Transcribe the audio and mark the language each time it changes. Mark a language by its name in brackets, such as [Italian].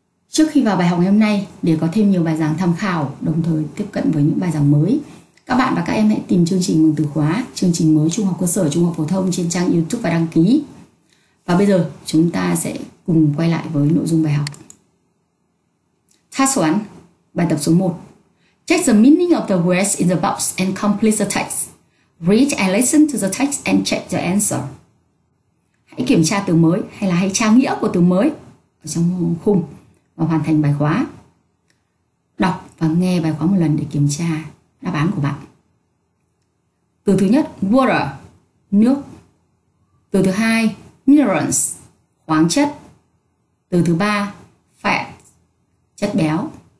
[Vietnamese] Trước khi vào bài học ngày hôm nay, để có thêm nhiều bài giảng tham khảo, đồng thời tiếp cận với những bài giảng mới, các bạn và các em hãy tìm chương trình mừng từ khóa, chương trình mới trung học cơ sở, trung học phổ thông trên trang YouTube và đăng ký. Và bây giờ, chúng ta sẽ cùng quay lại với nội dung bài học. [English] Task [Vietnamese] 1, bài tập số 1. [English] Check the meaning of the words in the box and complete the text. Read and listen to the text and check the answer. [Vietnamese] Hãy kiểm tra từ mới hay là hãy tra nghĩa của từ mới ở trong khung và hoàn thành bài khóa. Đọc và nghe bài khóa một lần để kiểm tra đáp án của bạn. Từ thứ nhất, water, nước. Từ thứ hai, minerals, khoáng chất. Từ thứ ba, fat, chất béo.